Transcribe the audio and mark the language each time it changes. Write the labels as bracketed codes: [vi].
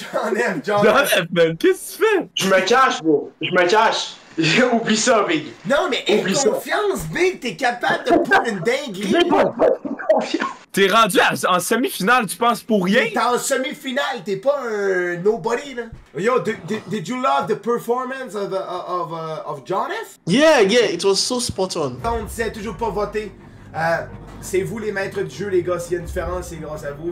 [fr] Man, qu'est-ce que tu fais? Je me cache. J'ai oublié ça, Big. Non, mais aie confiance, Big. T'es capable de prendre une dinguerie. J'ai pas confiance. T'es rendu en semi-finale, tu penses pour rien? Mais t'es en semi-finale, t'es pas un nobody, là. [en] Yo, did you love the performance of John F? Yeah, it was so spot on. [fr] On disait toujours pas voter. C'est vous les maîtres du jeu, les gars. S'il y a une différence, c'est grâce à vous.